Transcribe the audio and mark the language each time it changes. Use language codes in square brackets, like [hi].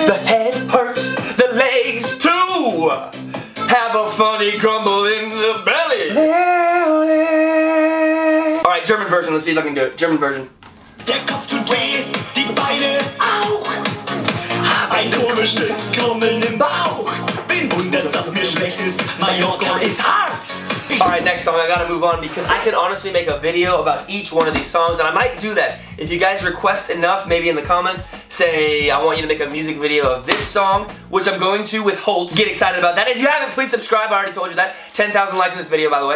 [en] The head hurts, the legs too, have a funny grumble in the belly. Ole, ole. Alright, German version, let's see if I can do it. German version. [de] Der Kopf tut weh, die Beine auch, hab ein komisches Grummeln im Bauch. Bin wundert, dass mir schlecht ist, Mallorca ist hart. [en] Alright, next song, I gotta move on because I could honestly make a video about each one of these songs, and I might do that. If you guys request enough, maybe in the comments, say, I want you to make a music video of this song, which I'm going to with Holtz. Get excited about that. If you haven't, please subscribe, I already told you that. 10,000 likes in this video, by the way.